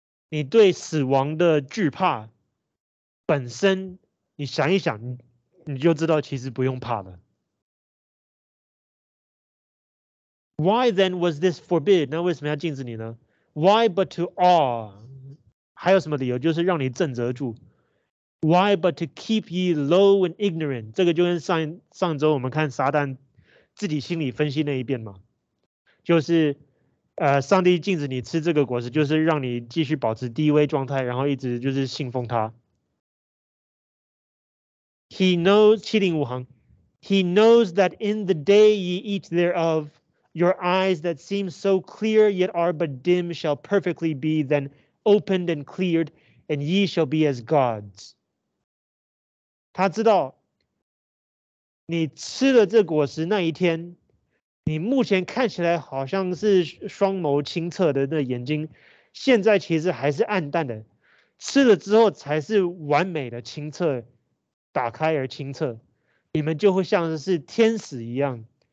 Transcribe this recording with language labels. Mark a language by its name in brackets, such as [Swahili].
[Chinese] 你对死亡的惧怕本身，你想一想，你就知道其实不用怕了。 [English] Why then was this forbid? [Chinese] 那为什么要禁止你呢？ [English] Why but to awe? [Chinese] 还有什么理由？就是让你震慑住。 [English] Why but to keep ye low and ignorant? [Chinese] 这个就跟上周我们看撒旦自己心理分析那一遍嘛，就是上帝禁止你吃这个果实，就是让你继续保持低微状态，然后一直就是信奉他。 [English] He knows 七定五行。 He knows that in the day ye eat thereof. Your eyes that seem so clear yet are but dim shall perfectly be then opened and cleared, and ye shall be as gods. [Chinese] 他知道你吃了这果实那一天，你目前看起来好像是双眸清澈的那眼睛，现在其实还是暗淡的，吃了之后才是完美的清澈，打开而清澈，你们就会像是天使一样。